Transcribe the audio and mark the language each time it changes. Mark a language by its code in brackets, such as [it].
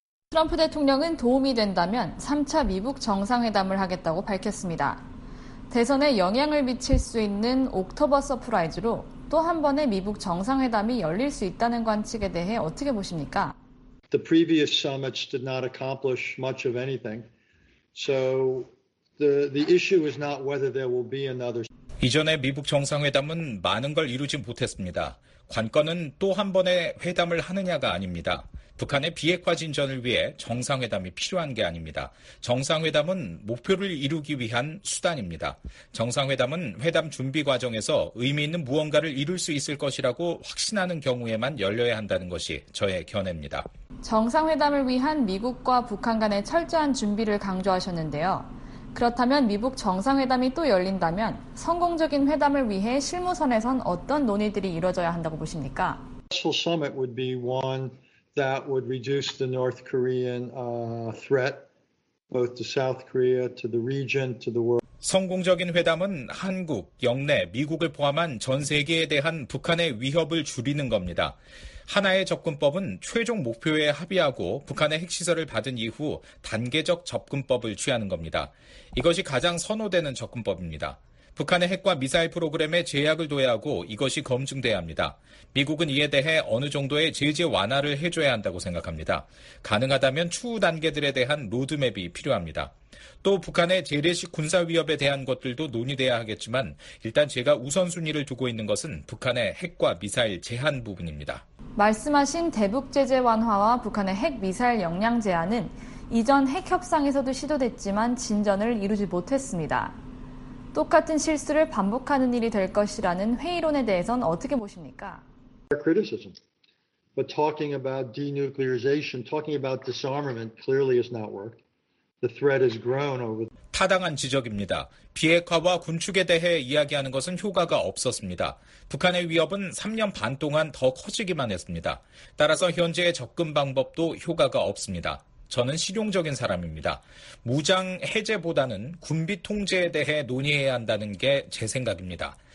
[ko] 트럼프 대통령은 도움이 된다면 3차 미북 정상회담을 하겠다고 밝혔습니다. 대선에 영향을 미칠 수 있는 옥토버 서프라이즈로 또 한 번의 미북 정상회담이 열릴 수 있다는 관측에 대해 어떻게 보십니까? [en] The previous summits did not accomplish much of anything. So the issue is not whether there will be another. [ko] 이전의 미북 정상회담은 많은 걸 이루지 못했습니다. 관건은 또 한 번의 회담을 하느냐가 아닙니다. 북한의 비핵화 진전을 위해 정상회담이 필요한 게 아닙니다. 정상회담은 목표를 이루기 위한 수단입니다. 정상회담은 회담 준비 과정에서 의미 있는 무언가를 이룰 수 있을 것이라고 확신하는 경우에만 열려야 한다는 것이 저의 견해입니다. 정상회담을 위한 미국과 북한 간의 철저한 준비를 강조하셨는데요. 그렇다면 미북 정상회담이 또 열린다면 성공적인 회담을 위해 실무선에선 어떤 논의들이 이루어져야 한다고 보십니까? [en] Summit would be one that would reduce the North Korean threat both to South Korea, to the region, to the world. [ko] 성공적인 회담은 한국, 영내, 미국을 포함한 전 세계에 대한 북한의 위협을 줄이는 겁니다. 하나의 접근법은 최종 목표에 합의하고 북한의 핵시설을 받은 이후 단계적 접근법을 취하는 겁니다. 이것이 가장 선호되는 접근법입니다. 북한의 핵과 미사일 프로그램에 제약을 둬야 하고 이것이 검증돼야 합니다. 미국은 이에 대해 어느 정도의 제재 완화를 해줘야 한다고 생각합니다. 가능하다면 추후 단계들에 대한 로드맵이 필요합니다. 또 북한의 재래식 군사 위협에 대한 것들도 논의돼야 하겠지만 일단 제가 우선순위를 두고 있는 것은 북한의 핵과 미사일 제한 부분입니다. 말씀하신 대북 제재 완화와 북한의 핵 미사일 역량 제한은 이전 핵 협상에서도 시도됐지만 진전을 이루지 못했습니다. 똑같은 실수를 반복하는 일이 될 것이라는 회의론에 대해선 어떻게 보십니까? [en] Criticism. But talking about denuclearization, talking about disarmament clearly has not worked. The threat has grown over. [ko] 타당한 지적입니다. 비핵화와 군축에 대해 이야기하는 것은 효과가 없었습니다. 북한의 위협은 3년 반 동안 더 커지기만 했습니다. 따라서 현재의 접근 방법도 효과가 없습니다. 저는 실용적인 사람입니다. 무장 해제보다는 군비 통제에 대해 논의해야 한다는 게 제 생각입니다.